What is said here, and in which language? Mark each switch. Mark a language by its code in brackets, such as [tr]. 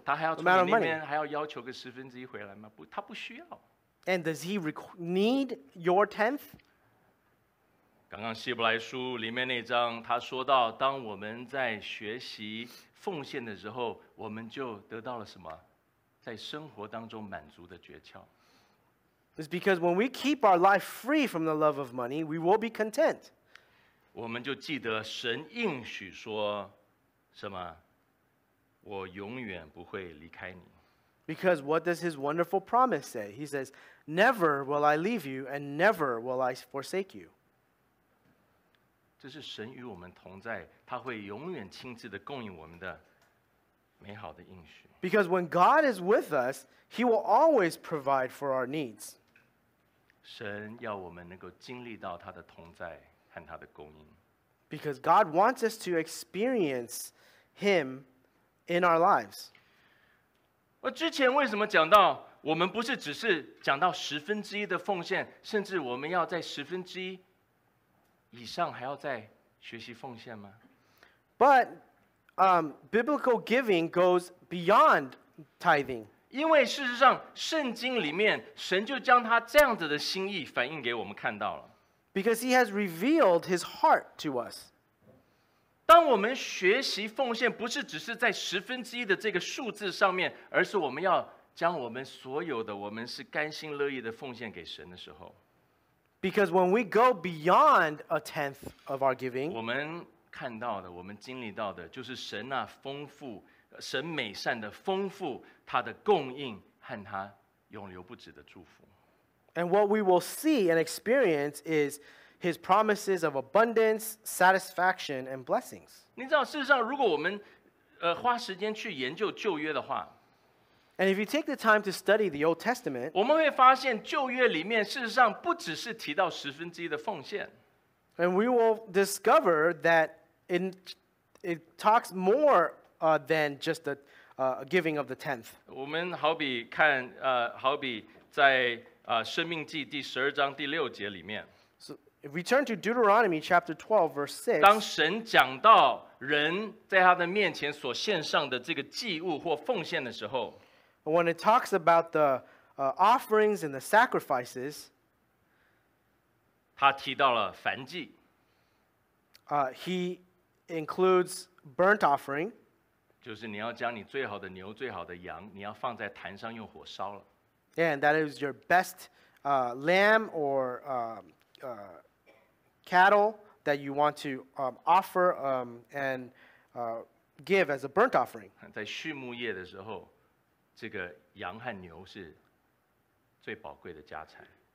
[zh] 他还要从你那边还要要求个十分之一回来吗？不，他不需要。 [en] And does he need your tenth? [zh] 刚刚希伯来书里面那章，他说到，当我们在学习奉献的时候，我们就得到了什么？在生活当中满足的诀窍。 [en] It's because when we keep our life free from the love of money, we will be content. [zh] 我们就记得神应许说什么？我永远不会离开你。 [en] Because what does his wonderful promise say? He says, never will I leave you and never will I forsake you. [zh] 这是神与我们同在，他会永远亲自的供应我们的美好的应许。 [en] Because when God is with us, he will always provide for our needs. [zh] 神要我们能够经历到他的同在和他的供应。 [en] Because God wants us to experience him in our lives. [zh] 我之前为什么讲到我们不是只是讲到十分之一的奉献，甚至我们要在十分之一以上还要再学习奉献吗？ [en] But biblical giving goes beyond tithing. [zh] 因为事实上圣经里面神就将他这样子的心意反映给我们看到了。 [en] Because he has revealed his heart to us. [zh] 当我们学习奉献，不是只是在十分之一的这个数字上面，而是我们要将我们所有的，我们是甘心乐意的奉献给神的时候。 [en] Because when we go beyond a tenth of our giving, [zh] 我们看到的，我们经历到的，就是神啊，丰富，神美善的丰富，他的供应和他永留不止的祝福。 [en] And what we will see and experience is His promises of abundance, satisfaction, and blessings. [zh] 你知道，事实上，如果我们花时间去研究旧约的话。 [en] And if you take the time to study the Old Testament, [zh] 我们会发现旧约里面事实上不只是提到十分之一的奉献。 [en] And we will discover that it talks more than just the giving of the tenth. [zh] 我们好比看好比在生命记第十二章第六节里面。 [en] So if we turn to Deuteronomy chapter 12 verse 6, [zh] 当神讲到人在他的面前所献上的这个祭物或奉献的时候。 [en] When it talks about the offerings and the sacrifices, [zh] 他提到了燔祭。 [en] He includes burnt offering. [zh] 就是你要将你最好的牛、最好的羊，你要放在坛上用火烧了。 [en] And that is your best lamb or cattle that you want to offer and give as a burnt offering. [zh] 在畜牧业的时候。这个羊和牛是最宝贵的家产。